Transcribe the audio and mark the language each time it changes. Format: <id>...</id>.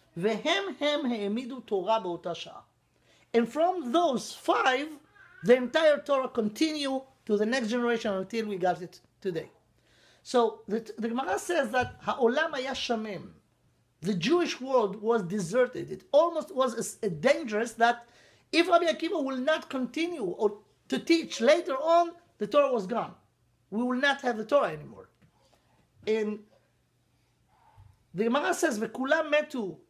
<he>והם הם העמידו תורה באותה שעה.</he> <en>And from those five, the entire Torah continue to the next generation until we got it today. So the Gemara says that</en> <he>העולם היה שמם.</he> <en>The Jewish world was deserted. It almost was as dangerous that if Rabbi Akiva will not continue or to teach later on, the Torah was gone. We will not have the Torah anymore. And the Gemara says,</en> <he>"Vekulam metu</he>